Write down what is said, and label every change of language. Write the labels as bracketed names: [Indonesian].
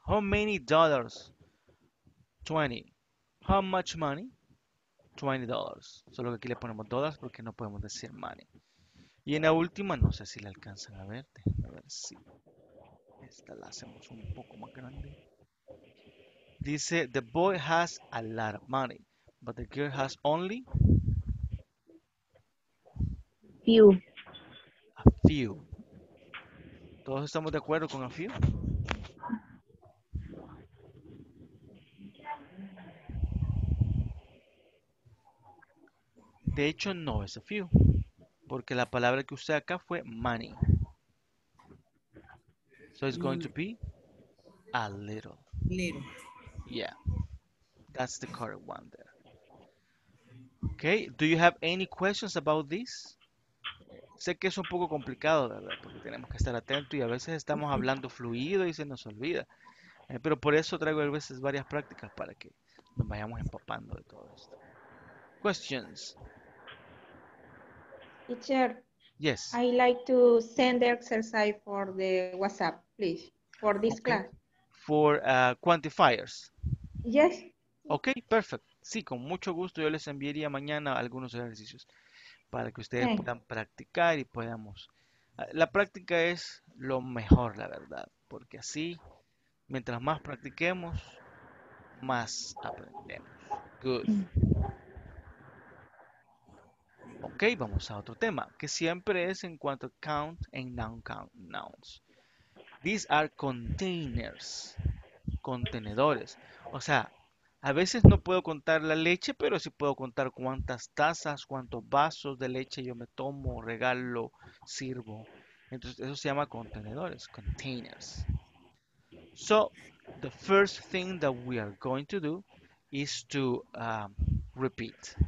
[English] How many dollars? 20. How much money? $20. [Spanish] Solo que aquí le ponemos dollars porque no podemos decir money. Y en la última, no sé si le alcanzan a ver. A ver si esta la hacemos un poco más grande. [English] Dice, the boy has a lot of money, but the girl has only... Few. [Spanish] A few. ¿Todos estamos de acuerdo con a few? De hecho, no es a few. Porque la palabra que usé acá fue money. [English] So it's going to be a little. Little. Yeah. That's the correct one there. Okay. Do you have any questions about this? [Spanish] Sé que es un poco complicado, ¿verdad? Porque tenemos que estar atentos y a veces estamos hablando fluido y se nos olvida. Pero por eso traigo a veces varias prácticas para que nos vayamos empapando de todo esto. Questions. [English] Teacher. Yes. I like to send the exercise for the WhatsApp, please, for this okay. class. For quantifiers. Yes. Okay, perfect. [Spanish] Sí, con mucho gusto yo les enviaría mañana algunos ejercicios para que ustedes puedan practicar y podamos. La práctica es lo mejor, la verdad, porque así, mientras más practiquemos, más aprendemos. [English] Good. [Spanish] Ok, vamos a otro tema, que siempre es en cuanto a count and non-count nouns. [English] These are containers, contenedores. [Spanish] O sea, a veces no puedo contar la leche, pero sí puedo contar cuántas tazas, cuántos vasos de leche yo me tomo, regalo, sirvo. Entonces, eso se llama contenedores, containers. [English] So, the first thing that we are going to do is to repeat.